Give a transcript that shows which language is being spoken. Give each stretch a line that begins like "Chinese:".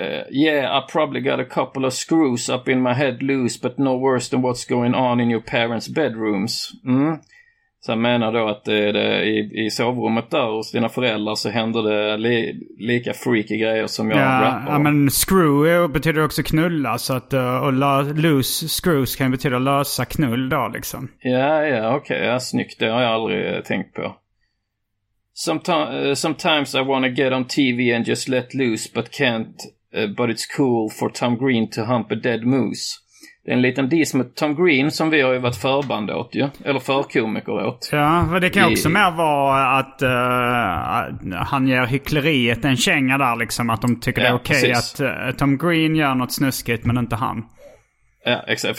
English: Yeah, I probably got a couple of screws up in my head loose, but no worse than what's going on in your parents' bedrooms. Mm.
Swedish: Så jag menar då att i sovrummet där hos dina föräldrar så händer det lika freaky grejer som jag rappar. Ja, men screw betyder också knulla, så att loose screws kan betyda lösa knull då liksom. Ja, okej, okay, ja, snyggt, det har jag aldrig tänkt på.
English: Sometimes I wanna get on TV and just let loose, but can't, but it's cool for Tom Green to hump a dead moose.
Swedish: Det är en liten diss med Tom Green som vi har ju varit förband åt ju. Eller förkomiker åt. Ja, men det kan också mer vara att han gör hyckleriet en känga där liksom. Att de tycker det är okej, precis, att Tom Green gör något snuskigt men inte han. Ja, exakt.